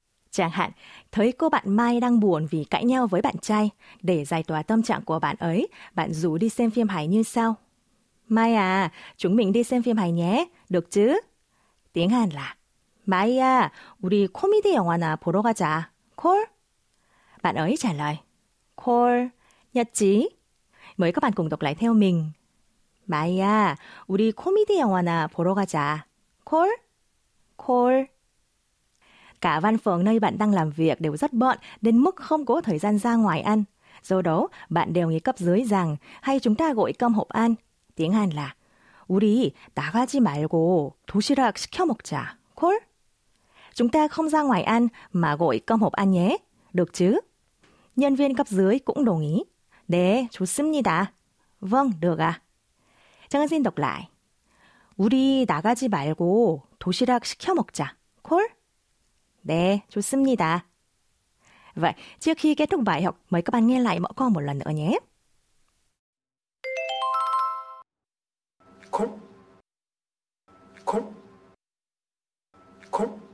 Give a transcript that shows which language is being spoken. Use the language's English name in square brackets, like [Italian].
[Vietnamese] Chẳng hạn, thấy cô bạn Mai đang buồn vì cãi nhau với bạn trai, để giải tỏa tâm trạng của bạn ấy, bạn rủ đi xem phim hài như sau. Mai à, chúng mình đi xem phim hài nhé, được chứ? Tiếng Hàn là Mai à, [Korean] 우리 코미디 영화나 보러 가자. [Vietnamese] 콜? Bạn ấy trả lời 콜, nhất trí. Mời các bạn cùng đọc lại theo mình. [Korean] 마이야, 우리 코미디 영화나 보러 가자. 콜? 콜. [Vietnamese] Cả văn phòng nơi bạn đang làm việc đều rất bận đến mức không có thời gian ra ngoài ăn. Do đó, bạn đều nghĩ cấp dưới rằng hay chúng ta gọi cơm hộp ăn. Tiếng Hàn là [Korean] 우리 나가지 말고 도시락 시켜 먹자. 콜? [Vietnamese] Chúng ta không ra ngoài ăn mà gọi cơm hộp ăn nhé. Được chứ? Nhân viên cấp dưới cũng đồng ý. [Korean] 네, 좋습니다. [Vietnamese] Vâng, được ạ. Chẳng xin đọc lại. [Korean] 우리 나가지 말고 도시락 시켜 먹자. 콜? 네, 좋습니다. [Vietnamese] Vậy, trước khi kết thúc bài học, mời các bạn nghe lại mẫu câu một lần nữa nhé. [Korean] 콜? 콜? 콜?